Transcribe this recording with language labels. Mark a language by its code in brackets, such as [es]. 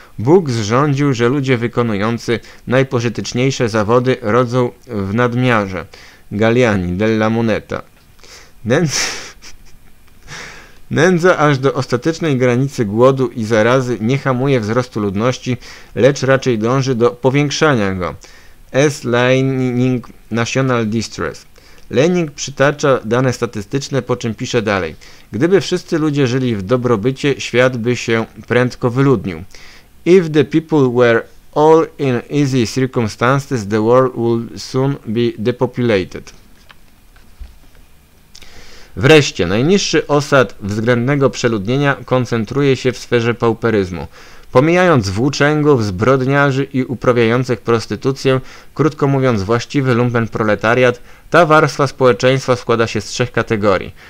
[pl] Bóg zrządził, że ludzie wykonujący najpożyteczniejsze zawody rodzą w nadmiarze. Galiani, della moneta. Nędza aż do ostatecznej granicy głodu i zarazy nie hamuje wzrostu ludności, lecz raczej dąży do powiększania go. S. Lining, National Distress. Lening przytacza dane statystyczne, po czym pisze dalej. Gdyby wszyscy ludzie żyli w dobrobycie, świat by się prędko wyludnił. [en] If the people were all in easy circumstances, the world would soon be depopulated. [pl] Wreszcie, najniższy osad względnego przeludnienia koncentruje się w sferze pauperyzmu. Pomijając włóczęgów, zbrodniarzy i uprawiających prostytucję, krótko mówiąc właściwy lumpen proletariat, ta warstwa społeczeństwa składa się z trzech kategorii.